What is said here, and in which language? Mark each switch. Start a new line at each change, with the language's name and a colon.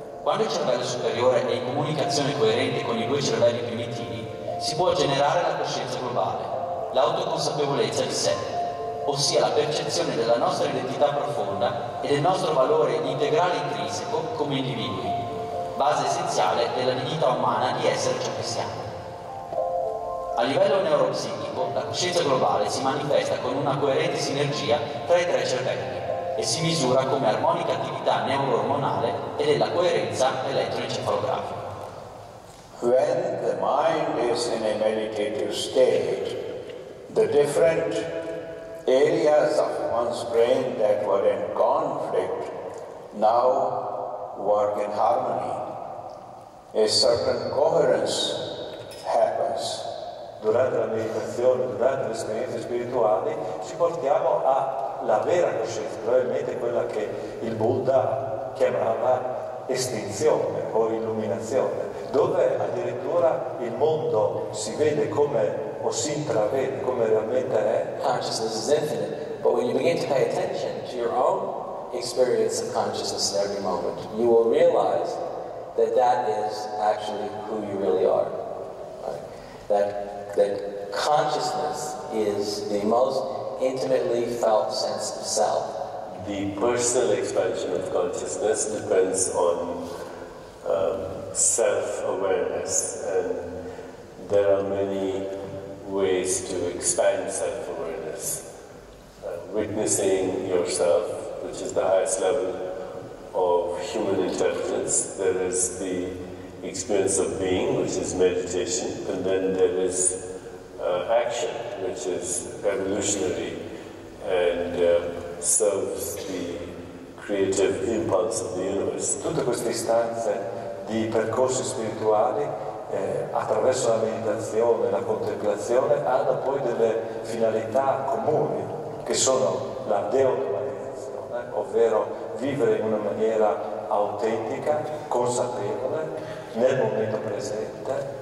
Italian: Quando il cervello superiore è in comunicazione coerente con i due cervelli primitivi, si può generare la coscienza globale, l'autoconsapevolezza di sé, ossia la percezione della nostra identità profonda e del nostro valore integrale e intrinseco come individui, base essenziale della dignità umana di essere ciò che siamo. A livello neuropsichico, la coscienza globale si manifesta con una coerente sinergia tra i tre cervelli e si misura come armonica attività neuro-ormonale e della coerenza elettroencefalografica.
English: When the mind is in a meditative state, the different areas of one's brain that were in conflict now work in harmony. A certain coherence happens.
Italian: Durante la meditazione, durante le esperienze spirituali, ci portiamo alla vera coscienza, probabilmente quella che il Buddha chiamava estinzione o illuminazione, dove addirittura il mondo si vede come o si intravede come realmente è.
English: Consciousness is infinite, but when you begin to pay attention to your own experience of consciousness at every moment, you will realize that that is actually who you really are. That consciousness is the most intimately felt sense of self. The personal expansion of consciousness depends on self-awareness, and there are many ways to expand self-awareness. Witnessing yourself, which is the highest level of human intelligence, there is the experience of being, which is meditation, and then there is action, which is evolutionary and serves the creative impulse of the universe.
Italian: Tutte queste istanze di percorsi spirituali attraverso la meditazione, la contemplazione, hanno poi delle finalità comuni, che sono la deontologizzazione, ovvero vivere in una maniera autentica, consapevole, nel momento presente.